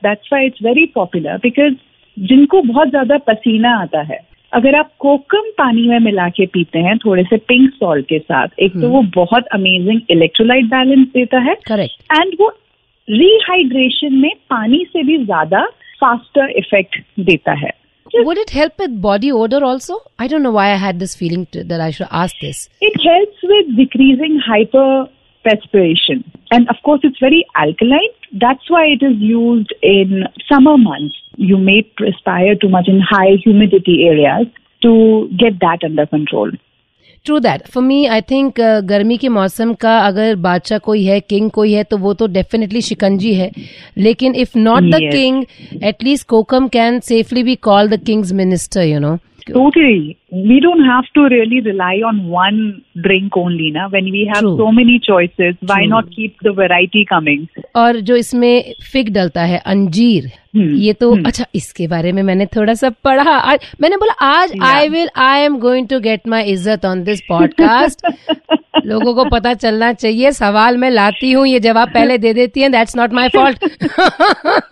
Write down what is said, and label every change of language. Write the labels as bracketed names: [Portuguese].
[English] that's why it's very popular, because [Hindi] जिनको बहुत ज्यादा पसीना आता है, अगर आप कोकम पानी में मिला के पीते हैं थोड़े से पिंक सॉल्ट के साथ, एक तो वो बहुत अमेजिंग इलेक्ट्रोलाइट बैलेंस देता है. [English] Correct. [Hindi] एंड वो रिहाइड्रेशन में पानी से भी ज्यादा फास्टर इफेक्ट देता है. [English] Would it help with body odor also? I don't know why I had this feeling that I should ask this. It helps with decreasing hyperperspiration. And of course, it's very alkaline. That's why it is used in summer months. You may perspire too much in high humidity areas to get that under control. True that. For me, I think [Hindi] गर्मी के मौसम का अगर बादशाह कोई है, king कोई है, तो वो तो डेफिनेटली शिकंजी है. लेकिन [English] If not the king, at least kokum can safely be called the king's minister, you know. Totally. We don't have to really rely on one drink only, na? When we have True. So many choices, why True. Not keep the variety coming? [Hindi] और जो इसमें fig डलता है, अंजीर, ये तो अच्छा, इसके बारे में मैंने थोड़ा सा पढ़ा. मैंने बोला आज [English] I am going to get my [Hindi] इज्जत on this podcast. लोगों को पता चलना चाहिए, सवाल मैं लाती हूँ, ये जवाब पहले दे देती है, [English] That's not my fault.